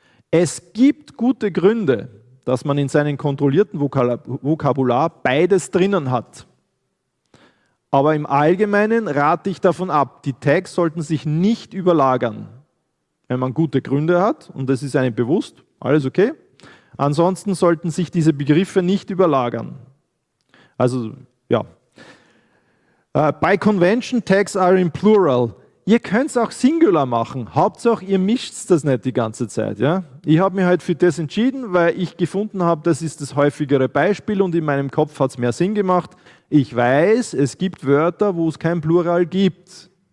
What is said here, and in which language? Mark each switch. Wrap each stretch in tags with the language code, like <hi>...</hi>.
<de>Es gibt gute Gründe, dass man in seinem kontrollierten Vokabular beides drinnen hat. Aber im Allgemeinen rate ich davon ab, die Tags sollten sich nicht überlagern, wenn man gute Gründe hat und das ist einem bewusst, alles okay. Ansonsten sollten sich diese Begriffe nicht überlagern. Also, ja.</de> <en>By convention, tags are in plural.</en> <de>Ihr könnt es auch singular machen, Hauptsache ihr mischt das nicht die ganze Zeit. Ja? Ich habe mich halt für das entschieden, weil ich gefunden habe, das ist das häufigere Beispiel und in meinem Kopf hat es mehr Sinn gemacht. Ich weiß, es gibt Wörter, wo es kein Plural gibt.</de>